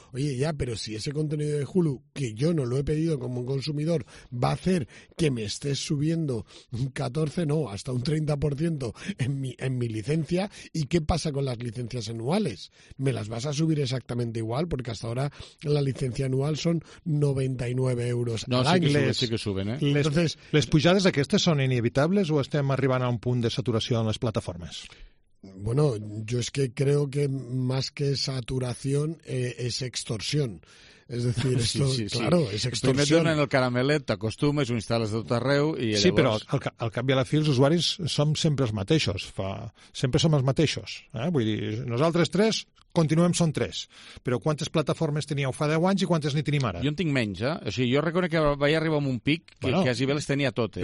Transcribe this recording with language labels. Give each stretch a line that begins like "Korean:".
Spanish: Oye, ya, pero si ese contenido de Hulu, que yo no lo he pedido como un consumidor, va a hacer que me estés subiendo un 14, no, hasta un 30% en mi licencia, ¿y qué pasa con las licencias anuales? ¿Me las vas a subir exactamente igual? Porque hasta ahora la licencia anual son 99 euros. No, sí que suben, ¿eh?
Catalan: Entonces, ¿les pujades aquestes són inevitables o estem arribant a un punt de saturació en les plataformes?
Spanish: Bueno, yo es que creo que más que saturación es extorsión. Es decir, esto, claro, es extorsión.
Catalan: Primer donen el caramelet, t'acostumes, ho instal·les tot arreu i llavors... Sí, però al cap i a la fi els usuaris som sempre els mateixos. Sempre som els mateixos. Vull dir, nosaltres tres, continuem, som tres. Però quantes plataformes teníeu fa 10 anys i quantes n'hi tenim ara? Jo en tinc menys, eh? O sigui, jo reconec que vaig arribar a un pic que quasi bé les tenia totes.